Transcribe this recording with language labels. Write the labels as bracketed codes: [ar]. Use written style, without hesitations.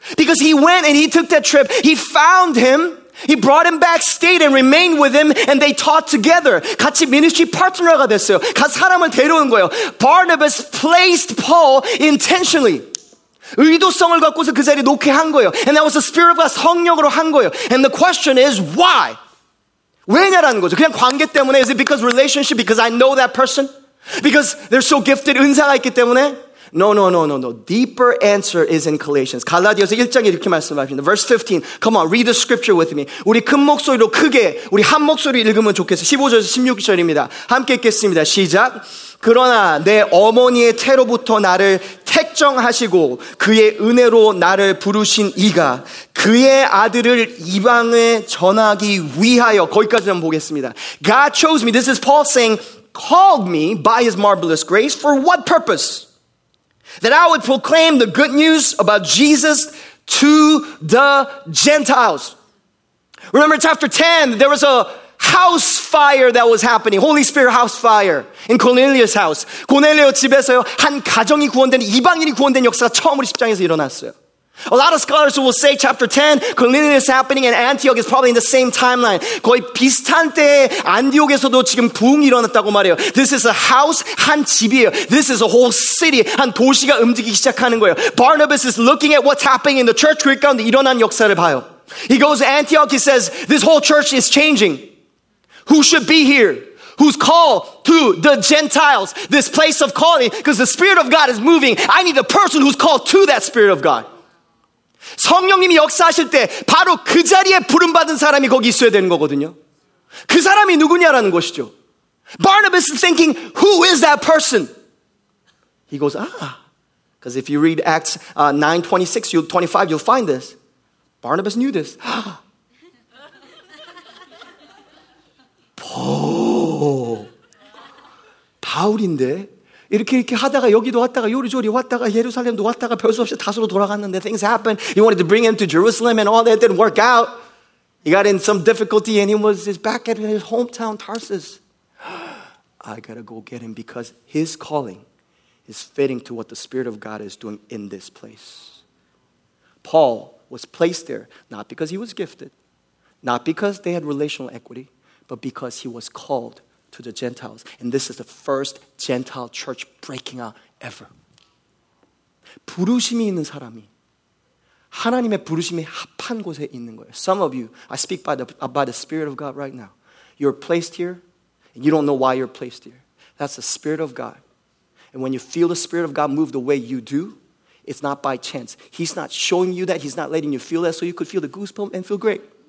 [en] Because he went and he took that trip, he found him, he brought him back, stayed and remained with him, and they taught together. [ko] 같이 [en] ministry partner [ko] 가 됐어요. 그 사람을 데려온 거예요. [en] Barnabas placed Paul intentionally. [ko] 의도성을 갖고서 그 자리에 놓게 한 거예요. [en] And that was the Spirit of God, [ko] 성령으로 한 거예요. [en] And the question is, why? [ko] 왜냐라는 거죠. 그냥 관계 때문에. [en] Is it because relationship? Because I know that person? Because they're so gifted, [ko] 은사가 있기 때문에? [en] No. Deeper answer is in Galatians. [ko] 갈라디아서 1장에 이렇게 말씀하십니다. [en] Verse 15. Come on, read the scripture with me. [ko] 우리 큰 목소리로 크게, 우리 한 목소리 읽으면 좋겠어요. 15절에서 16절입니다. 함께 읽겠습니다. 시작. 그러나 내 어머니의 태로부터 나를 택정하시고 그의 은혜로 나를 부르신 이가 그의 아들을 이방에 전하기 위하여 거기까지 한번 보겠습니다. [en] God chose me. This is Paul saying, called me by his marvelous grace. For what purpose? That I would proclaim the good news about Jesus to the Gentiles. Remember chapter 10, there was a house fire that was happening. Holy Spirit house fire in Cornelius' house. [ko] Cornelius 집에서 한 가정이 구원된, 이방인이 구원된 역사가 처음으로 10장에서 일어났어요. [en] A lot of scholars will say chapter 10, Cornelius is happening and Antioch is probably in the same timeline. [ko] 거의 비슷한 때에 안디옥에서도 지금 부흥이 일어났다고 말해요. [en] This is a house, [ko] 한 집이에요. [en] This is a whole city, [ko] 한 도시가 움직이기 시작하는 거예요. [en] Barnabas is looking at what's happening in the church, [ko] 그 가운데 일어난 역사를 봐요. [en] He goes to Antioch, he says, this whole church is changing. Who should be here? Who's called to the Gentiles? This place of calling, because the Spirit of God is moving. I need a person who's called to that Spirit of God. [ko] 성령님이 역사하실 때 바로 그 자리에 부름받은 사람이 거기 있어야 되는 거거든요. 그 사람이 누구냐라는 것이죠. [en] Barnabas is thinking, who is that person? He goes, because if you read Acts 9:26, 25, you'll find this. Barnabas knew this. [ko] Paul인데? 이렇게 하다가 여기도 왔다가 요리조리 왔다가 예루살렘도 왔다가 별수 없이 다수로 돌아갔는데 [en] things happened. He wanted to bring him to Jerusalem and all that didn't work out. He got in some difficulty and he was back at his hometown Tarsus. I gotta go get him because his calling is fitting to what the Spirit of God is doing in this place. Paul was placed there not because he was gifted, not because they had relational equity, but because he was called to the Gentiles. And this is the first Gentile church breaking out ever. [ko] 부르심이 있는 사람이 하나님의 부르심에 합한 곳에 있는 거예요. [en] Some of you, I speak by the Spirit of God right now. You're placed here, and you don't know why you're placed here. That's the Spirit of God. And when you feel the Spirit of God move the way you do, it's not by chance. He's not showing you that. He's not letting you feel that so you could feel the goosebumps and feel great.